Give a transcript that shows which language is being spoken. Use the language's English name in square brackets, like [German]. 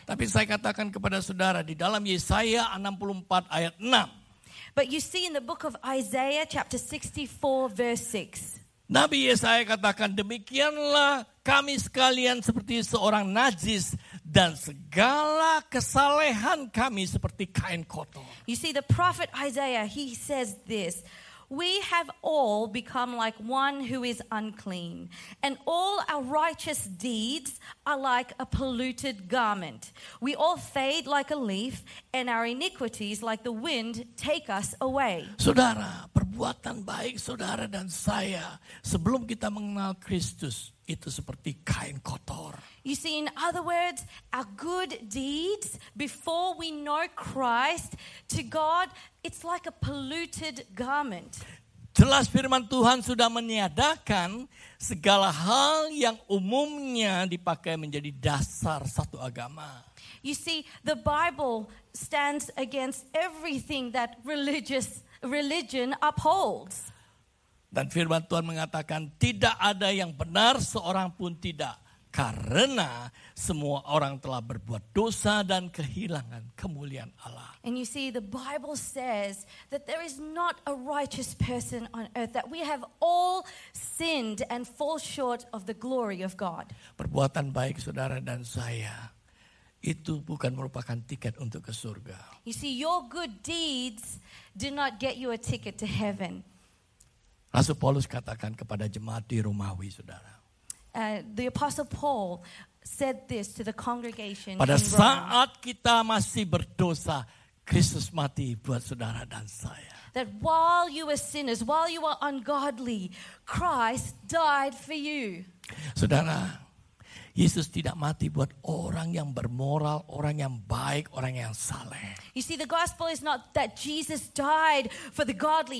[Indonesian] Tapi saya katakan kepada saudara di dalam Yesaya 64 ayat 6. [English] But you see in the book of Isaiah chapter 64 verse 6. [Indonesian] Nabi Yesaya katakan demikianlah kami sekalian seperti seorang najis dan segala kesalehan kami seperti kain kotor. [English] You see the prophet Isaiah, he says this: we have all become like one who is unclean, and all our righteous deeds are like a polluted garment. We all fade like a leaf, and our iniquities like the wind take us away. [Indonesian] Saudara, perbuatan baik saudara dan saya sebelum kita mengenal Kristus itu seperti kain kotor. [English] You see, in other words, our good deeds before we know Christ to God, it's like a polluted garment. [Indonesian] Jelas firman Tuhan sudah meniadakan segala hal yang umumnya dipakai menjadi dasar satu agama. [English] You see, the Bible stands against everything that religion upholds. [Indonesian] Dan firman Tuhan mengatakan tidak ada yang benar, seorang pun tidak. Karena semua orang telah berbuat dosa dan kehilangan kemuliaan Allah. [English] And you see, the Bible says that there is not a righteous person on earth, that we have all sinned and fall short of the glory of God. [Indonesian] Perbuatan baik saudara dan saya itu bukan merupakan tiket untuk ke surga. [English] You see, your good deeds do not get you a ticket to heaven. [Indonesian] Rasul Paulus katakan kepada jemaat di Romawi, saudara. [English] The Apostle Paul said this to the congregation. [Indonesian] Pada saat kita masih berdosa, Kristus mati buat saudara dan saya. [English] That while you were sinners, while you were ungodly, Christ died for you. [Indonesian] Saudara, Yesus tidak mati buat orang yang bermoral, orang yang baik, orang yang saleh. [English] You see, the gospel is not that Jesus died for the godly.